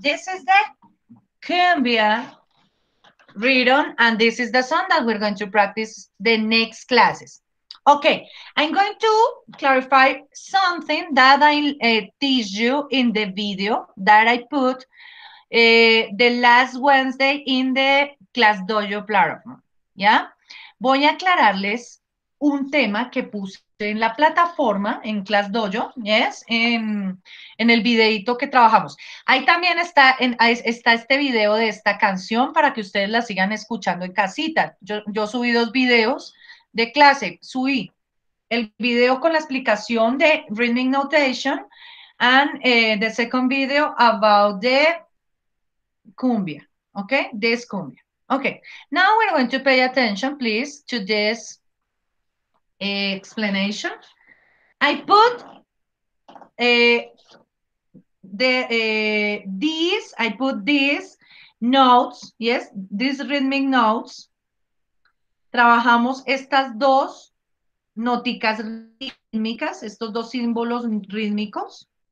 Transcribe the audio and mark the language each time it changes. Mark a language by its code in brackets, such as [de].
[en] This is the cumbia rhythm, and this is the song that we're going to practice the next classes. Okay, I'm going to clarify something that I teach you in the video that I put the last Wednesday in the class dojo platform. [es] Yeah, voy a aclararles un tema que puse en la plataforma, en Class Dojo, yes, en el videito que trabajamos. Ahí también está, está este video de esta canción para que ustedes la sigan escuchando en casita. Yo subí dos videos de clase. Subí el video con la explicación de [en] Rhythmic Notation and the second video about the cumbia, okay? This cumbia. Okay, now we're going to pay attention, please, to this explanation. I put these notes, yes, these rhythmic notes. [es] Trabajamos estas dos noticas rítmicas, estos dos símbolos rítmicos.